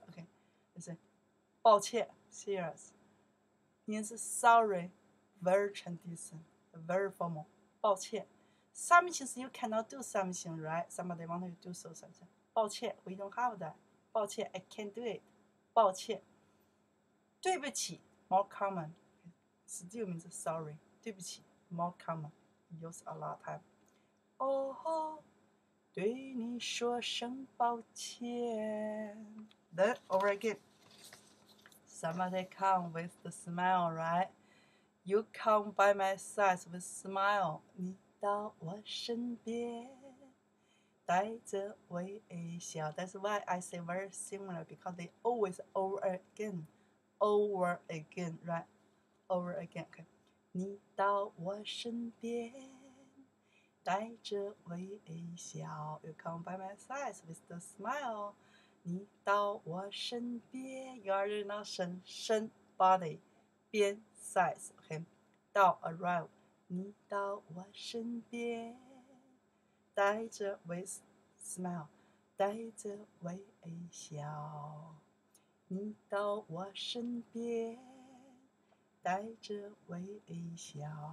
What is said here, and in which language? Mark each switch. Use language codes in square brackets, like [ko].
[en] Okay, let's say, 抱歉 serious. Means sorry, very tradition, very formal, 抱歉 Something is you cannot do something, right? Somebody wants to do something. 抱歉 we don't have that. 抱歉 I can't do it. [zh] 抱歉对不起 [en] more common. Still means sorry. 对不起 more common. Use a lot of time. 哦、oh, [zh] 对你说声抱歉。 [en] Then over again. Somebody come with the smile, right? You come by my side with smile. [zh] 你到我身边带着微笑。 [en] That's why I say very similar because they always over again. Over again, right? Over again, okay. [zh] 你到我身边带着微笑 [en] You come by my side with the smile. [zh] 你到我身边 [en] You are in our 身 body, 边 size, okay. [zh] 到 arrive. 你到我身边带着微 smile, 带着微笑你到我身边带着微笑